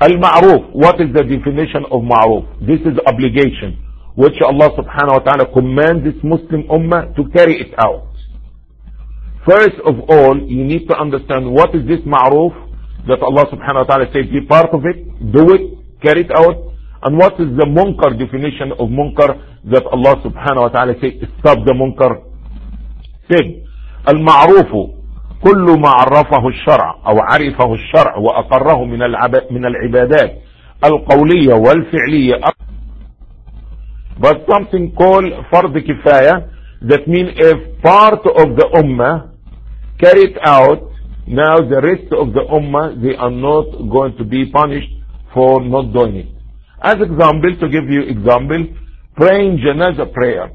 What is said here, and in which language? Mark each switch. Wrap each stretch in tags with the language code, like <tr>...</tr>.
<en>Al-Ma'ruf, what is the definition of Ma'ruf? This is obligation, which Allah subhanahu wa ta'ala commands this Muslim Ummah to carry it out. First of all, you need to understand what is this Ma'ruf that Allah subhanahu wa ta'ala says, be part of it, do it, carry it out. And what is the Munkar definition of Munkar that Allah subhanahu wa ta'ala says, stop the Munkar?</en> <ar>Say, Al-Ma'rufu, كل ما عرفه الشرع أو عرفه الشرع وأقره من العبادات القولية والفعلية.</ar> <en>But something called فرض كفاية, that means if part of the ummah carried out, now the rest of the ummah, they are not going to be punished for not doing it. As example, to give you example, praying janazah prayer.</en>